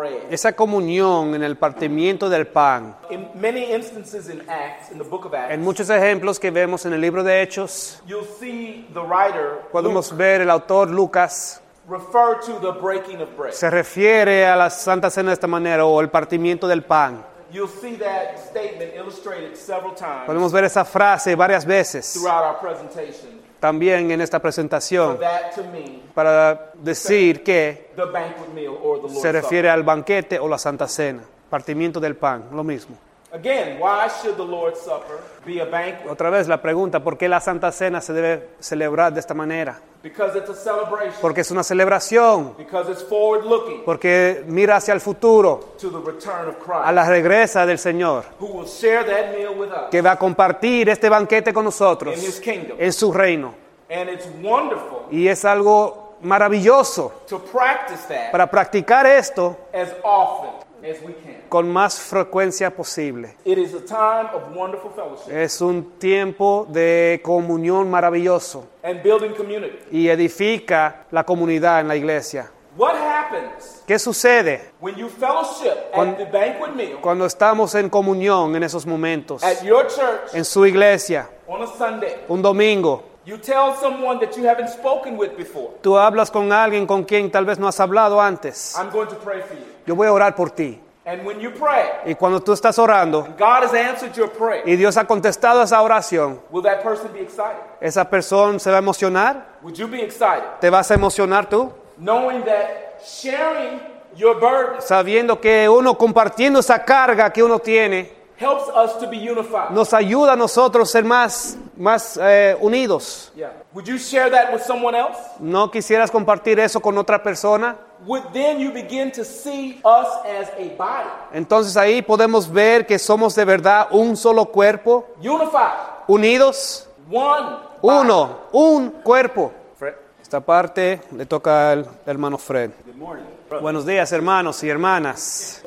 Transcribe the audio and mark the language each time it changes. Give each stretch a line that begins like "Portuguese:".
Spanish: Esa comunión en el partimiento del pan.
English: In many instances in Acts, in the book of Acts,
Spanish: en muchos ejemplos que vemos en el libro de Hechos,
English: you'll see the writer,
Spanish: podemos Luke, ver el autor Lucas
English: refer to the breaking of bread.
Spanish: Se refiere a la Santa Cena de esta manera o el partimiento del pan.
English: You'll see that statement illustrated several times.
Spanish: Podemos ver esa frase varias veces
English: throughout our presentation.
Spanish: También en esta presentación,
English: so that to mean,
Spanish: para decir que
English: the banquet meal or the
Spanish: se refiere al banquete o la Santa Cena, partimiento del pan, lo mismo.
English: Again, why should the Lord's Supper be a banquet?
Spanish: Otra vez la pregunta, ¿por qué la Santa Cena se debe celebrar de esta manera?
English: Because it's a celebration.
Spanish: Porque es una celebración.
English: Because it's forward looking.
Spanish: Porque mira hacia el futuro.
English: To the return of Christ.
Spanish: A la regresa del Señor.
English: Who will share that meal with us.
Spanish: Que va a compartir este banquete con nosotros.
English: In his kingdom.
Spanish: En su reino.
English: And it's wonderful.
Spanish: Y es algo maravilloso.
English: To practice that.
Spanish: Para practicar esto.
English: As often as we can.
Spanish: Con más frecuencia posible.
English: It is a time of wonderful fellowship.
Spanish: Es un tiempo de comunión maravilloso.
English: And building community.
Spanish: Y edifica la comunidad en la iglesia.
English: What happens?
Spanish: ¿Qué sucede?
English: When you fellowship at the banquet meal.
Spanish: Cuando estamos en comunión en esos momentos.
English: At your church.
Spanish: En su iglesia.
English: On a Sunday.
Spanish: Un domingo.
English: You tell someone that you haven't spoken with before.
Spanish: Tú hablas con alguien con quien tal vez no has hablado antes.
English: I'm going to pray for you.
Spanish: Yo voy a orar por ti.
English: And when you pray,
Spanish: y cuando tú estás orando,
English: God has answered your prayer,
Spanish: y Dios ha contestado esa oración,
English: will that person be excited?
Spanish: ¿Esa persona se va a emocionar?
English: Would you be excited?
Spanish: ¿Te vas a emocionar tú?
English: Knowing that sharing your burden,
Spanish: sabiendo que uno compartiendo esa carga que uno tiene,
English: helps us to be unified.
Spanish: Nos ayuda a nosotros ser más unidos.
English: Yeah. Would you share that with someone else?
Spanish: ¿No quisieras compartir eso con otra persona?
English: Would then you begin to see us as a body?
Spanish: Entonces ahí podemos ver que somos de verdad un solo cuerpo.
English: Unified.
Spanish: Unidos.
English: One.
Spanish: Uno.
English: Body.
Spanish: Un cuerpo. Fred. Esta parte le toca al hermano Fred.
English: Good morning.
Spanish: Buenos días, hermanos y hermanas.